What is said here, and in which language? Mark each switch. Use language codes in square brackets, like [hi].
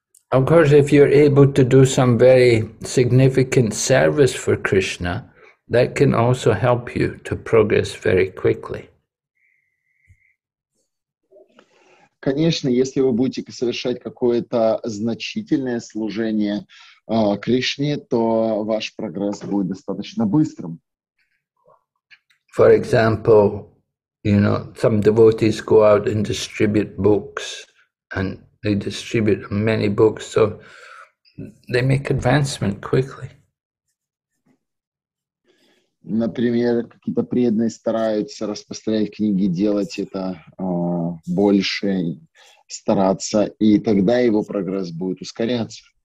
[en] Of course, if you're able to do some very significant service for Krishna, that can also help you to progress very quickly. [ru] Конечно, если вы будете совершать какое-то значительное служение Кришне, то ваш прогресс будет достаточно быстрым. [en] For example, you know, some devotees go out and distribute books, and they distribute many books, so they make advancement quickly. [ru] Например, какие-то преданные стараются распространять книги, делать это больше, стараться, и тогда его прогресс будет ускоряться.